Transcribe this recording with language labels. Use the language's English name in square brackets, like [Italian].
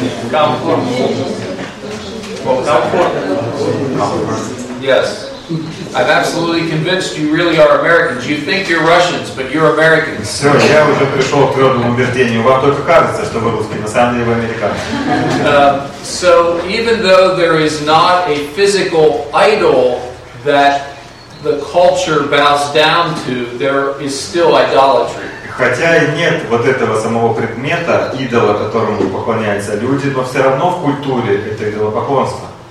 [English] Comfort. Well, comfort. Yes. I'm absolutely convinced you really are Americans. You think you're Russians, but you're Americans. [Russian] Все, я уже пришел к твердому убеждению. Вам только кажется, что вы русские, на самом деле вы американцы. [English] So even though there is not a physical idol that the culture bows down to, there is still idolatry. [Russian] Хотя и нет вот этого самого предмета идола, которому поклоняются люди, но все равно в культуре это идолопоклонство.